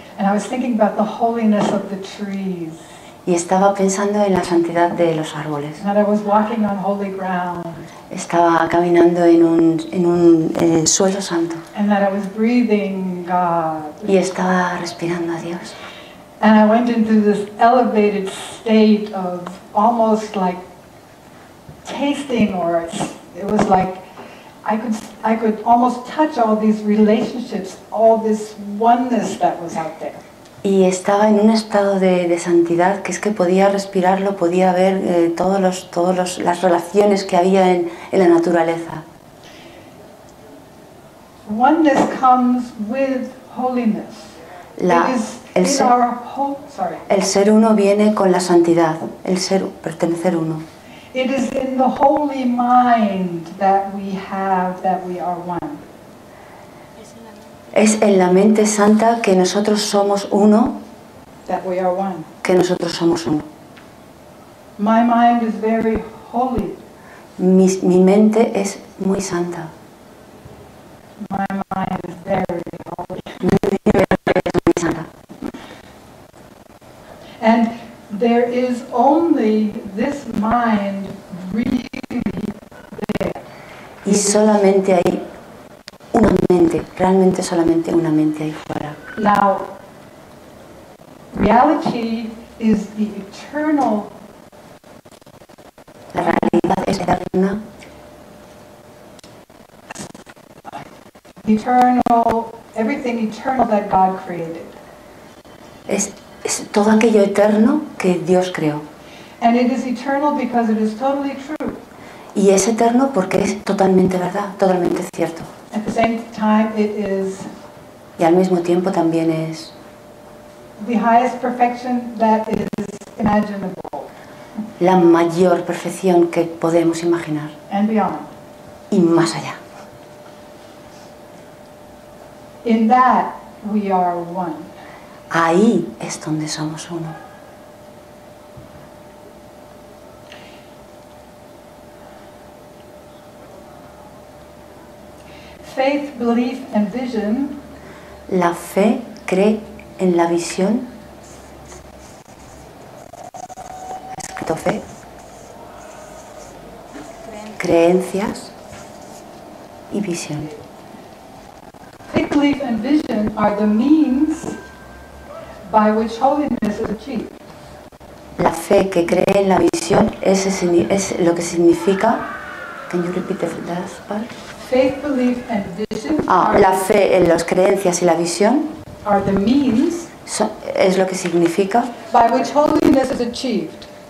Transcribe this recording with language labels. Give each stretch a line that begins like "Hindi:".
English: and I was thinking about the holiness of the trees,
Spanish: y estaba pensando en la santidad de los árboles.
English: And I was walking on holy ground,
Spanish: estaba caminando en un suelo santo,
English: and that I was breathing God,
Spanish: y estaba respirando a Dios.
English: And I went into this elevated state of almost like tasting, or it was like I could almost touch all these relationships, all this oneness that was out there.
Spanish: Y estaba en un estado de santidad que es que podía respirarlo, podía ver todas las relaciones que había en la naturaleza.
English: Oneness comes with holiness.
Spanish: El ser uno viene con la santidad, el ser pertenecer uno.
English: It is in the holy mind that we have that we are one.
Spanish: Es en la mente santa que nosotros somos uno.
English: That we are one.
Spanish: Que nosotros somos uno.
English: My mind is very holy. Mi mente es muy santa. My mind is very holy. And there is only this mind really there.
Spanish: Y solamente hay una mente, realmente solamente una mente ahí fuera.
English: Now, reality is the eternal.
Spanish: La realidad es eterna.
English: Eternal, everything eternal that God created.
Spanish: Es todo aquello eterno que Dios creó.
English: And it is eternal because it is totally true.
Spanish: Y es eterno porque es totalmente verdad, totalmente cierto.
English: At the same time, it is.
Spanish: Y al mismo tiempo también es.
English: The highest perfection that is imaginable.
Spanish: La mayor perfección que podemos imaginar.
English: And beyond.
Spanish: Y más allá.
English: In that we are one.
Spanish: Ahí es donde somos uno.
English: Faith, belief and vision.
Spanish: La fe cree en la visión. ¿Ha escrito fe? Creencias y visión.
English: Faith, belief and vision are the means by which holiness is achieved.
Spanish: La fe que cree en la visión es lo que significa.
English: Can you repeat the last part? Faith, belief and vision.
Spanish: La fe en las creencias y la visión
English: are the means
Spanish: es lo que significa
English: by which holiness is achieved.